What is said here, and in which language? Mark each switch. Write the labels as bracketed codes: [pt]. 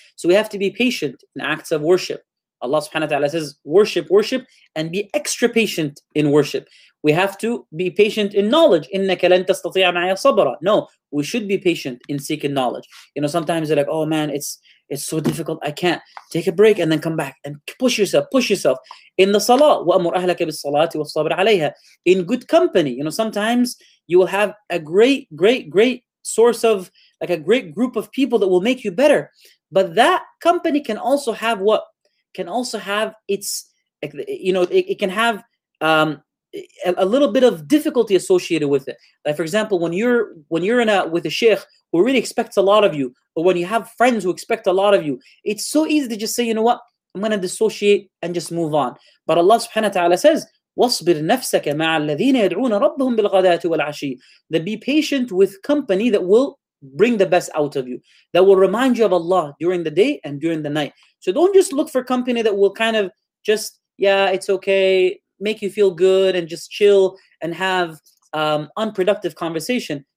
[en] So we have to be patient in acts of worship. Allah subhanahu wa ta'ala says, worship, worship, and be extra patient in worship. We have to be patient in knowledge. [ar] إِنَّكَ لَن تَسْتَطِيعَ مَعَيَ صَبْرًا. [en] No, we should be patient in seeking knowledge. You know, sometimes they're like, oh man, it's so difficult, I can't. Take a break and then come back and push yourself, push yourself. In the salah, [ar] وَأْمُرْ أَهْلَكَ بِالصَّلَاةِ وَاصْطَبِرْ عَلَيْهَا. [en] In good company, you know, sometimes you will have a great, great, great source of, like a great group of people that will make you better. But that company can also have what? Can also have its, you know, it can have a little bit of difficulty associated with it. Like for example, when you're in a with a sheikh who really expects a lot of you, or when you have friends who expect a lot of you, it's so easy to just say, you know what, I'm going to dissociate and just move on. But Allah subhanahu wa ta'ala says, [ar] وَاصْبِرْ نَفْسَكَ مَعَ الَّذِينَ يَدْعُونَ رَبَّهُمْ بِالْغَدَاةِ وَالْعَشِيِّ. [en] That be patient with company that will bring the best out of you, that will remind you of Allah during the day and during the night. So don't just look for company that will kind of just, yeah, it's okay, make you feel good and just chill and have unproductive conversation.